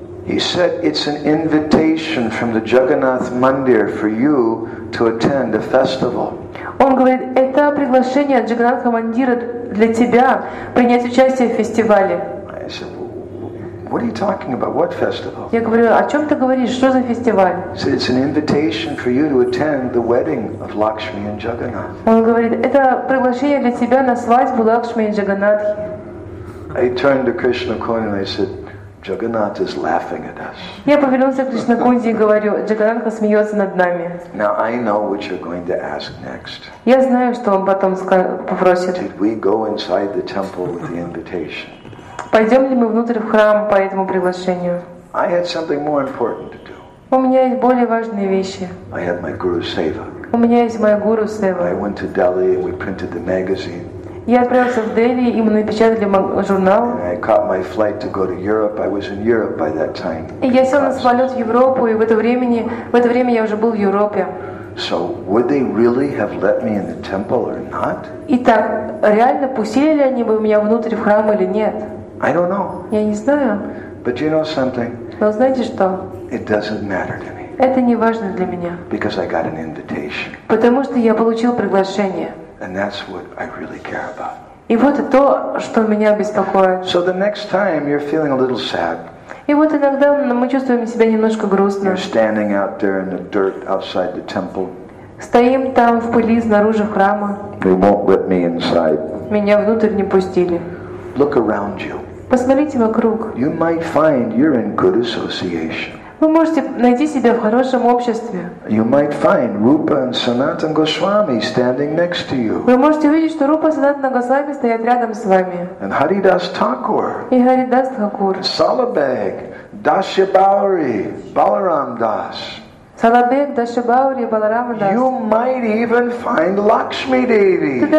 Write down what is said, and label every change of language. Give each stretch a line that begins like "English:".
English: He said, it's an invitation from the Jagannath Mandir for you to attend a festival.
Russian: Он говорит, это приглашение от Джагнатха Мандира для тебя принять участие в фестивале.
English: I said, what are you talking about? What festival?
Russian: Я говорю, о чем ты говоришь? Что за фестиваль?
English: He said, it's an invitation for you to attend the wedding of Lakshmi and Jagannath.
Russian: Он говорит, это приглашение для тебя на свадьбу Лакшми и Джаганнатхи.
English: I turned to Krishna Kunda and I said, Jagannath is laughing at us.
Russian: Я повернулся к Кришна Кунде и говорю, Джагананха смеется над нами.
English: Now I know what you're going to ask next.
Russian: Я знаю, что он потом попросит.
English: Did we go inside the temple with the invitation?
Russian: Пойдем ли мы внутрь в храм по этому приглашению?
English: I had something more important to do.
Russian: У меня есть более важные вещи.
English: I had my guru seva.
Russian: У меня есть моя гуру сева.
English: I went to Delhi and we printed the magazine.
Russian: Я отправился в Дели, и мы напечатали журнал.
English: And I caught my flight to go to Europe. I was in Europe by that time.
Russian: И я сел на самолет в Европу, и в это время я уже был в Европе.
English: So would they really have let me in the temple or not?
Russian: Итак, реально пустили ли они бы меня внутрь в храм или нет?
English: I don't know.
Russian: Я не знаю.
English: But you know something?
Russian: Но знаете что?
English: It doesn't matter to me.
Russian: Это не важно для меня.
English: Because I got an invitation.
Russian: Потому что я получил приглашение.
English: And that's what I really care about.
Russian: И вот то, что меня беспокоит.
English: So the next time you're feeling a little sad.
Russian: И вот иногда мы чувствуем себя немножко грустно.
English: You're standing out there in the dirt outside the temple.
Russian: Стоим там в пыли снаружи храма.
English: They won't let me inside.
Russian: Меня внутрь не пустили.
English: Look around you.
Russian: Посмотрите вокруг.
English: You might find you're in good association.
Russian: Вы можете найти себя в хорошем обществе.
English: You might find Rupa and Sanatana Goswami standing next to you.
Russian: Вы можете увидеть, что Рупа и Санатана Госвами стоят рядом с вами.
English: And Haridas Thakur.
Russian: И Haridas Thakur.
English: Salabag, Dasya Bauri, Balaram Das. Salabag, Dasya Bauri, Balaram Das. You might even find Lakshmi Devi.